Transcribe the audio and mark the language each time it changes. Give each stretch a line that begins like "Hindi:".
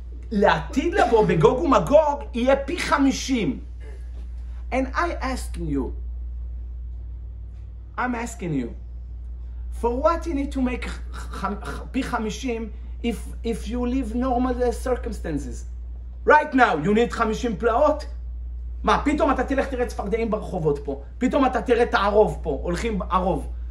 Hebrew: לעתיד לבוא בגוג ומגוג יהיה פי 50.
English: And I ask you, I'm asking you, for what you need to make פי 50 if you live normal circumstances. Right now, you need 50 פלאות?
Hebrew: מה, פתאום אתה תלך תראה צפרדעים ברחובות פה, פתאום אתה תראה את הערוב פה, הולכים ערוב.